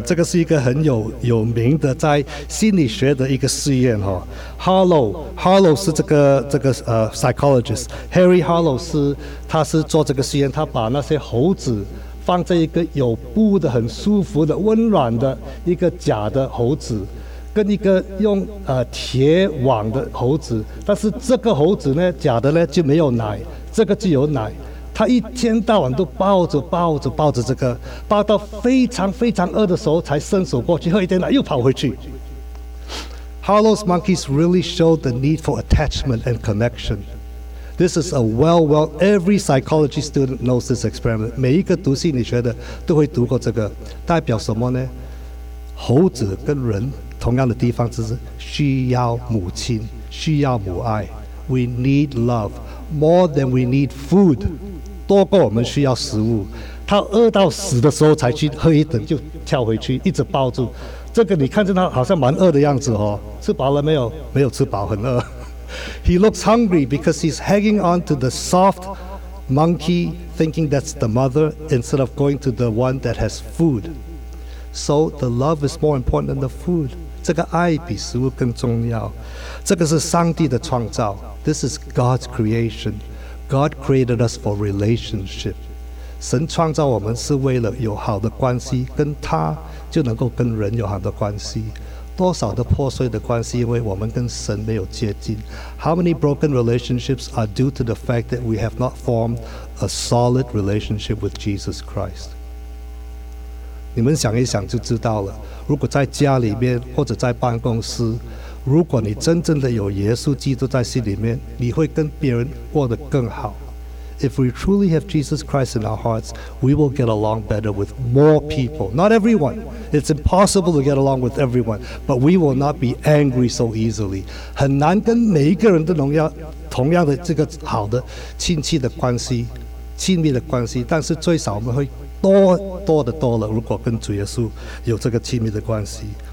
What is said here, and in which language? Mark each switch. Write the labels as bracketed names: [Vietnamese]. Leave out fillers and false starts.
[Chinese] 这个是一个很有名的在心理学的一个试验哈。 Harlow 是这个psychologist. Harry Harlow 他是做这个试验，他把那些猴子放在一个有布的很舒服的温暖的一个假的猴子，跟一个用铁网的猴子，但是这个猴子呢，假的呢就没有奶，这个就有奶。他一天到晚都抱着这个，抱到非常非常饿的时候才伸手过去喝一点奶，又跑回去。 [English] Harlow's monkeys really showed the need for attachment and connection. This is a well, every psychology student knows this experiment. [Chinese] 每一个读心理学的都会读过这个，代表什么呢？猴子跟人同样的地方就是需要母亲，需要母爱。 [English] We need love more than we need food. [Chinese] 多过我们需要食物，他饿到死的时候才去喝一等，就跳回去一直抱住这个。你看着他好像蛮饿的样子哦，吃饱了没有？没有吃饱，很饿。 [English] He looks hungry because he's hanging on to the soft monkey, thinking that's the mother instead of going to the one that has food. So the love is more important than the food. [Chinese] 这个爱比食物更重要。这个是上帝的创造。 [English] This is God's creation. God created us for relationship. [Chinese] 神创造我们是为了有好的关系，跟他就能够跟人有好的关系。多少的破碎的关系，因为我们跟神没有接近。 [English] How many broken relationships are due to the fact that we have not formed a solid relationship with Jesus Christ? [Chinese] 你们想一想就知道了。如果在家里面或者在办公室，如果你真正的有耶稣基督在心里面，你会跟别人过得更好。 [English] if we truly have Jesus Christ in our hearts, we will get along better with more people. Not everyone. It's impossible to get along with everyone, but we will not be angry so easily. [Chinese] 很难跟每一个人都同样的这个好的亲戚的关系，亲密的关系，但是最少我们会多多的多了，如果跟主耶稣有这个亲密的关系。